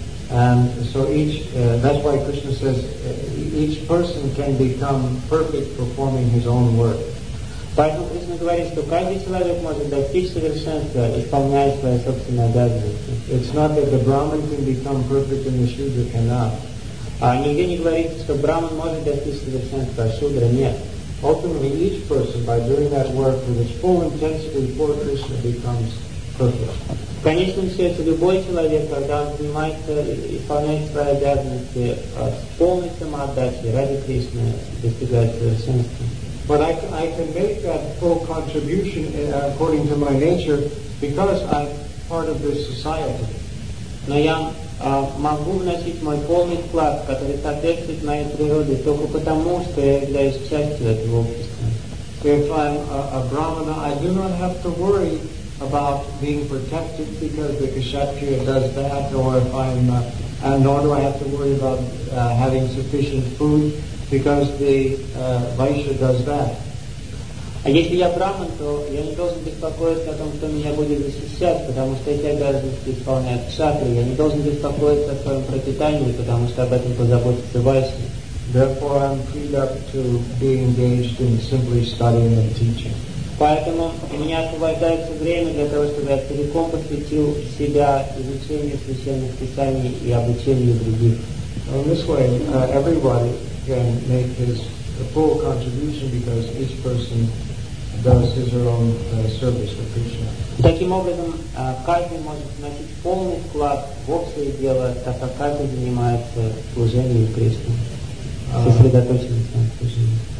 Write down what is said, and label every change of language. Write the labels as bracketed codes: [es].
[en] And so each, that's why Krishna says, each person can become perfect performing his own work. [ru] Поэтому Кришна говорит, что каждый человек может достичь совершенства, исполняя свои собственные обязанности. [en] It's not that the Brahman can become perfect and the Shudra cannot. [ru] Нигде не говорится, что Брахман может достичь совершенства, а Шудра нет. [en] Ultimately, each person, by doing that work with its full intensity for Krishna, becomes perfect. [ru] В конечном счете, любой человек, когда он занимается, исполняет свои обязанности с полной самоотдачей ради Кришны, достигает совершенства. [en] But I can make that full contribution according to my nature because I'm part of this society. [ru] Но я могу вносить мой полный вклад, который соответствует моей природе, только потому, что я являюсь частью этого общества. [en] If I'm a Brahmana, I do not have to worry about being protected because the Kshatriya does that, nor do I have to worry about having sufficient food. Because the Vaishya does that. [ru] А если я Брахман, то я не должен беспокоиться о том, кто меня будет защищать, потому что эти обязанности исполняют кшатри. Я не должен беспокоиться о своем пропитании, потому что об этом позаботится Вайшья. [en] Therefore, I'm freed up to be engaged in simply studying and teaching. [ru] Поэтому у меня освобождается время для того, чтобы я целиком посвятил себя изучению священных писаний и обучению других. [en] In this way, everybody can make his full contribution because each person does his or own service for Krishna. [ru] Таким образом, каждый может вносить полный вклад в общее дело, так как каждый занимается служением Кришне, сосредоточенностью на служении.